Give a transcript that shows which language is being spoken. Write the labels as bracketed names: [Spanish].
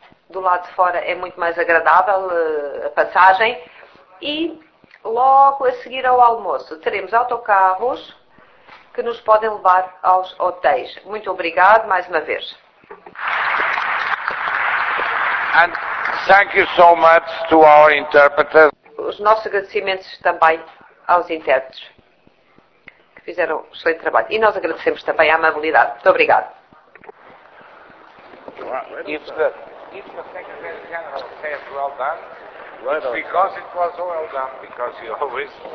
[Portuguese] Do lado de fora é muito mais agradável a passagem. E logo a seguir ao almoço teremos autocarros que nos podem levar aos hotéis. Muito obrigado mais uma vez. [English] And thank you so much to our interpreters. [Portuguese] Os nossos agradecimentos também aos intérpretes, que fizeram um excelente trabalho. E nós agradecemos também a amabilidade. Muito obrigado. [English] If the Secretary General says well done, it's because it was well done, because he always...